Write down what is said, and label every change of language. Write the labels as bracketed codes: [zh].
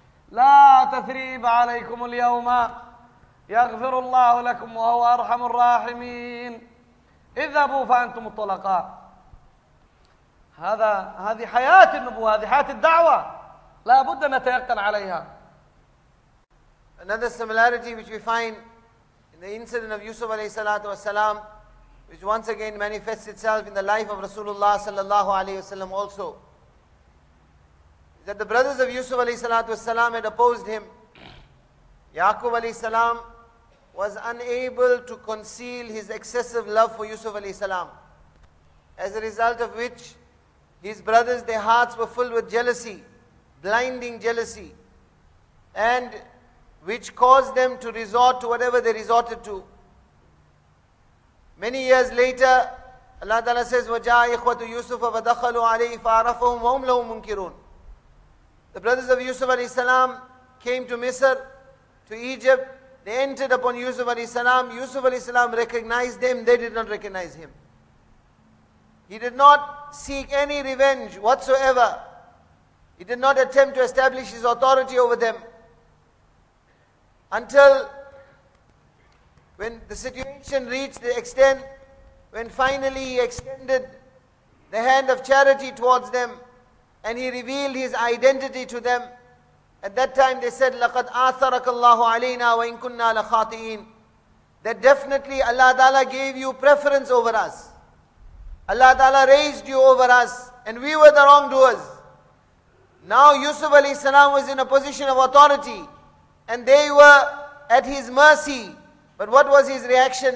[ar] لا تثريب عليكم اليوم يغفر الله لكم وهو أرحم الراحمين اذهبوا فأنتم الطلقاء هذه حياة النبوة هذه حياة الدعوة لا بد أن نتيقن عليها. [en] Another similarity which we find in the incident of Yusuf عليه الصلاة والسلام, which once again manifests itself in the life of Rasulullah صلى الله عليه وسلم also, that the brothers of Yusuf alayhi salatu wasalam had opposed him. Yaqub alayhi salam was unable to conceal his excessive love for Yusuf alayhi salam, as a result of which his brothers, their hearts were filled with jealousy, blinding jealousy, and which caused them to resort to whatever they resorted to. Many years later, Allah Ta'ala says, [ar] وَجَاءَ إِخْوَةُ يُوسُفَ وَدَخَلُوا عَلَيْهِ فَعَرَفُهُمْ وَهُمْ لَهُمْ مُنْكِرُونَ. [en] The brothers of Yusuf alayhi salam came to Misr, to Egypt. They entered upon Yusuf alayhi salam. Yusuf alayhi salam recognized them. They did not recognize him. He did not seek any revenge whatsoever. He did not attempt to establish his authority over them. Until when the situation reached the extent when finally he extended the hand of charity towards them, and he revealed his identity to them. At that time they said, [ar] لَقَدْ آثَرَكَ اللَّهُ عَلَيْنَا وَإِنْ كُنَّا لَخَاطِئِينَ. [en] That definitely Allah Ta'ala gave you preference over us. Allah Ta'ala raised you over us, and we were the wrongdoers. Now Yusuf alayhi salam was in a position of authority, and they were at his mercy. But what was his reaction?